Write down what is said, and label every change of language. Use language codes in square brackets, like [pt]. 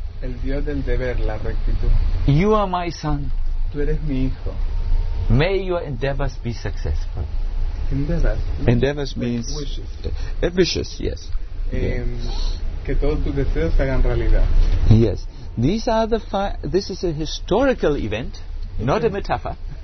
[es] El dios del deber, la rectitud. [en] You are my son. [es] Tú eres mi hijo. [en] May your endeavors be successful. Endeavors means wishes. Ambitious, yes. [es] Que todos tus deseos se hagan realidad. [en] Yes. This is a historical event. Not a metaphor.